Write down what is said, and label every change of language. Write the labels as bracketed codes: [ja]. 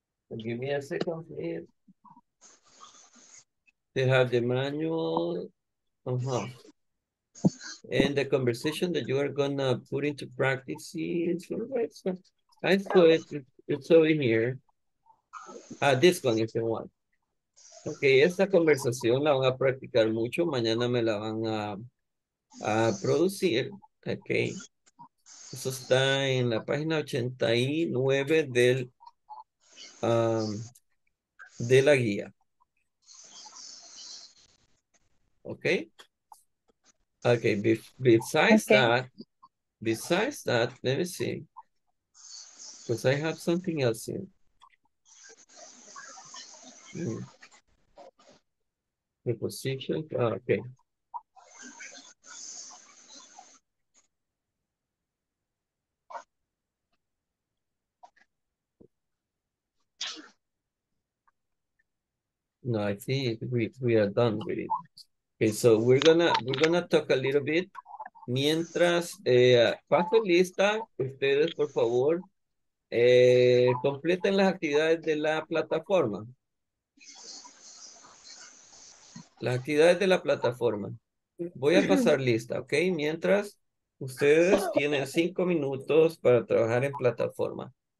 [en] Give me a second, please. They have the manual. And the conversation that you are gonna put into practice is, I saw it, it's over here. This one is the one. [es] Okay, esta conversación la van a practicar mucho. Mañana me la van a producir. Okay. Eso está en la página 89 del de la guía. [en] Okay. Okay, besides that, let me see. Because I have something else here. Preposition. Okay. No, I think we are done with it. Okay, so we're gonna talk a little bit. [es] Mientras, paso lista, ustedes, por favor, completen las actividades de la plataforma. Las actividades de la plataforma. Voy a pasar lista, ok? Mientras, ustedes tienen 5 minutos para trabajar en plataforma.